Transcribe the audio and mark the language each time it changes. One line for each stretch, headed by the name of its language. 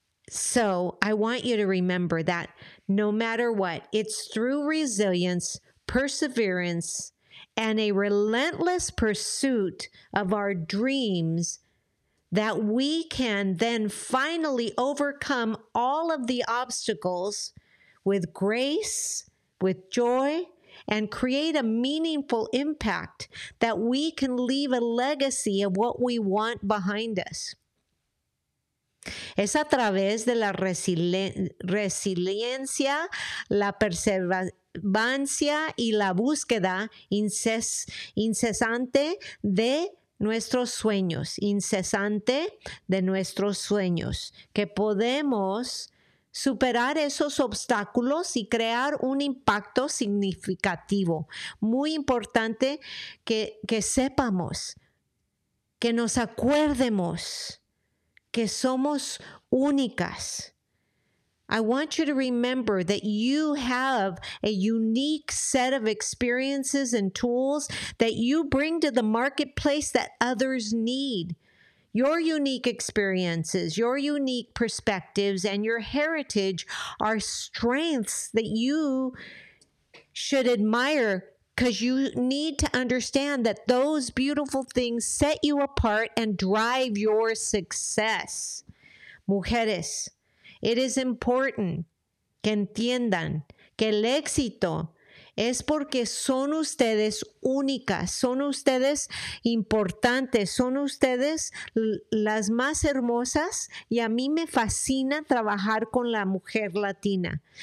English: So I want you to remember that no matter what, it's through resilience, perseverance, and a relentless pursuit of our dreams that we can then finally overcome all of the obstacles with grace, with joy, and create a meaningful impact that we can leave a legacy of what we want behind us.
Spanish: Es a través de la resiliencia, la perseverancia y la búsqueda incesante de nuestros sueños, que podemos superar esos obstáculos y crear un impacto significativo. Muy importante que sepamos, que nos acuerdemos que somos únicas.
English: I want you to remember that you have a unique set of experiences and tools that you bring to the marketplace that others need. Your unique experiences, your unique perspectives, and your heritage are strengths that you should admire, because you need to understand that those beautiful things set you apart and drive your success.
Spanish: Mujeres,
English: it is important
Spanish: que entiendan que el éxito es porque son ustedes únicas, son ustedes importantes, son ustedes las más hermosas, y a mí me fascina trabajar con la mujer latina.